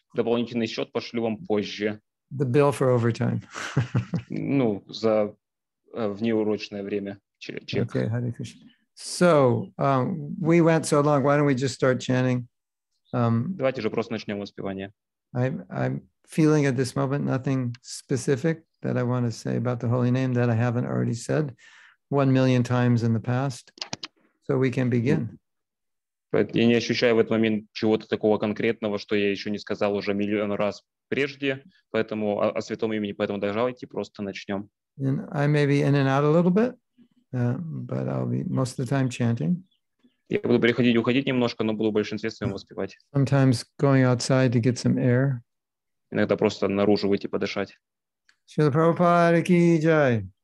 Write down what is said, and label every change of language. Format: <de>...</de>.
<ru>Дополнительный счет пошлю вам позже.</ru> <en>The bill for overtime.</en> <ru>Ну, за внеурочное время. Чек.</ru> <en>Okay, Hare Krishna. So, we went so long. Why don't we just start chanting?</en> <ru>Давайте же просто начнем воспевание.</ru> <en>I'm feeling at this moment nothing specific that I want to say about the holy name that I haven't already said 1 million times in the past. So we can begin.</en> <ru>Я не ощущаю в этот момент чего-то такого конкретного, что я еще не сказал уже миллион раз прежде, поэтому о святом имени, поэтому давайте просто начнем.</ru> <en>And I may be in and out a little bit, but I'll be most of the time chanting.</en> <ru>Я буду приходить и уходить немножко, но буду в большинстве своем воспевать.</ru> <en>Sometimes going outside to get some air.</en> <ru>Иногда просто наружу выйти подышать.</ru> <hi>Шрила Прабхупада ки джай.</hi>